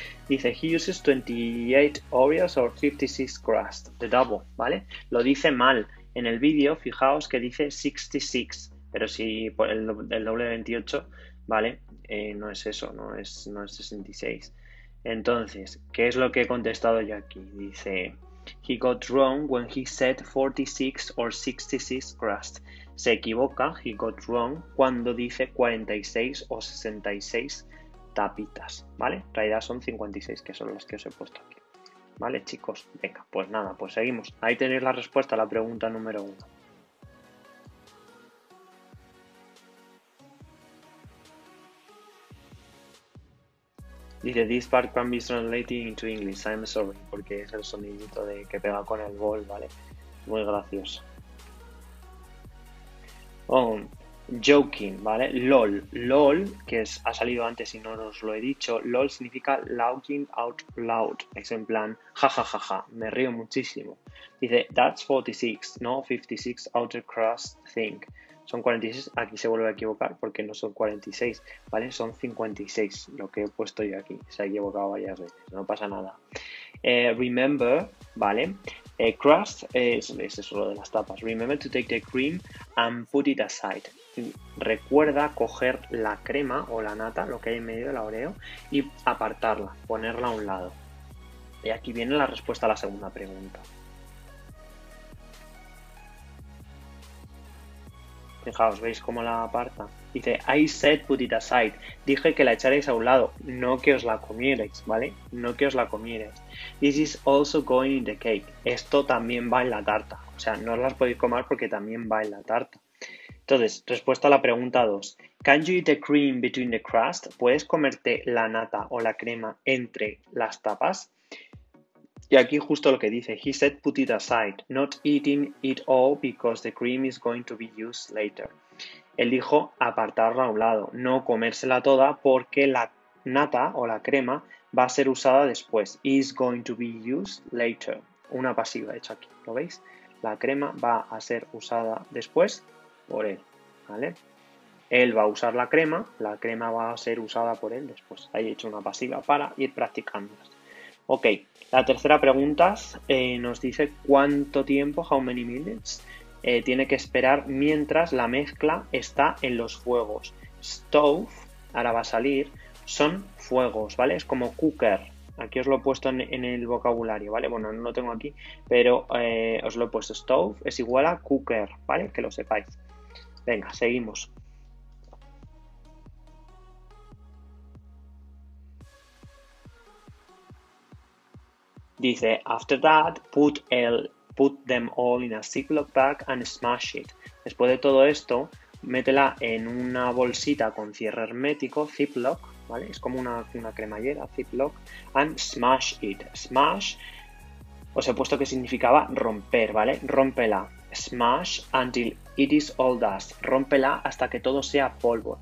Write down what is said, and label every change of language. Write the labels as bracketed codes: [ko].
[en] Dice, he uses 28 Oreos or 56 crusts, the double, ¿vale? [es] Lo dice mal. En el vídeo, fijaos que dice 66, pero si por el doble de 28, ¿vale? No es eso, no es 66. Entonces, ¿qué es lo que he contestado yo aquí? [en] Dice, he got wrong when he said 46 or 66 crusts. [es] Se equivoca, [en] he got wrong, [es] cuando dice 46 o 66 tapitas, ¿vale? En realidad son 56, que son las que os he puesto aquí, ¿vale, chicos? Venga, pues nada, pues seguimos. Ahí tenéis la respuesta a la pregunta número 1. Dice, this part can be translated into English, I'm sorry, porque es el sonidito de que pega con el bol, ¿vale? Muy gracioso. [en] Oh, joking, [es] ¿vale? LOL, que es, ha salido antes y no os lo he dicho. LOL significa [en] laughing out loud. [es] Es en plan, jajajaja, ja, ja, ja, me río muchísimo. Dice, [en] that's 46, no 56 outer crust thing. [es] Son 46, aquí se vuelve a equivocar porque no son 46, ¿vale? Son 56, lo que he puesto yo aquí. Se ha equivocado varias veces, no pasa nada. Remember, ¿vale? Crust es eso, lo de las tapas. [en] Remember to take the cream and put it aside. [es] Recuerda coger la crema o la nata, lo que hay en medio de la Oreo, y apartarla, ponerla a un lado. Y aquí viene la respuesta a la segunda pregunta. Fijaos, ¿veis cómo la aparta? Dice, [en] I said put it aside. [es] Dije que la echarais a un lado, no que os la comierais, ¿vale? No que os la comierais. [en] This is also going in the cake. [es] Esto también va en la tarta. O sea, no os las podéis comer porque también va en la tarta. Entonces, respuesta a la pregunta 2. [en] Can you eat the cream between the crust? [es] ¿Puedes comerte la nata o la crema entre las tapas? Y aquí justo lo que dice, [en] he said put it aside, not eating it all because the cream is going to be used later. [es] Él dijo apartarla a un lado, no comérsela toda porque la nata o la crema va a ser usada después. [en] Is going to be used later. [es] Una pasiva hecha aquí, ¿lo veis? La crema va a ser usada después por él, ¿vale? Él va a usar la crema va a ser usada por él después. Ahí he hecho una pasiva para ir practicando. Ok, la tercera pregunta nos dice cuánto tiempo, [en] how many minutes, [es] tiene que esperar mientras la mezcla está en los fuegos. Stove, ahora va a salir, son fuegos, ¿vale? Es como cooker, aquí os lo he puesto en el vocabulario, ¿vale? Bueno, no lo tengo aquí, pero os lo he puesto. Stove es igual a cooker, ¿vale? Que lo sepáis. Venga, seguimos. [en] Dice, after that, put them all in a Ziploc bag and smash it. [es] Después de todo esto, métela en una bolsita con cierre hermético, Ziploc, ¿vale? Es como una cremallera, Ziploc, [en] and smash it. [es] Smash, os he puesto que significaba romper, ¿vale? Rómpela. [en] Smash until it is all dust. [es] Rómpela hasta que todo sea polvo.